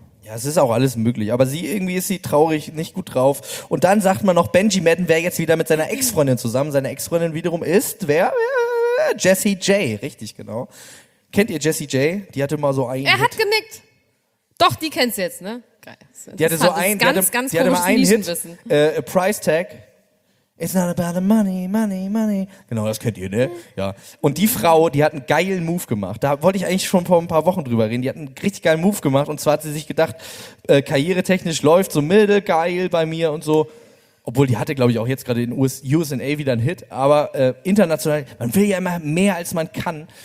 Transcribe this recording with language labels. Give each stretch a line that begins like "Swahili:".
German: Ja, es ist auch alles möglich, aber sie irgendwie ist sie traurig, nicht gut drauf. Und dann sagt man noch, Benji Madden wäre jetzt wieder mit seiner Ex-Freundin zusammen. Seine Ex-Freundin wiederum ist wer? Jessie J, richtig, genau. Kennt ihr Jessie J? Die hatte mal so einen Hit. Er hat genickt. Doch, die kennst du jetzt, ne? Geil. Die hatte so einen, ganz, die ganz hatte mal einen Hit. A Price Tag.
English: It's not about the money, money, money.
German: Genau, das kennt ihr, ne? Ja. Und die Frau, die hat einen geilen Move gemacht. Da wollte ich eigentlich schon vor ein paar Wochen drüber reden. Die hat einen richtig geilen Move gemacht. Und zwar hat sie sich gedacht, karrieretechnisch läuft so milde, geil bei mir und so. Obwohl, die hatte, glaube ich, auch jetzt gerade in USA wieder einen Hit. Aber international, man will ja immer mehr, als man kann.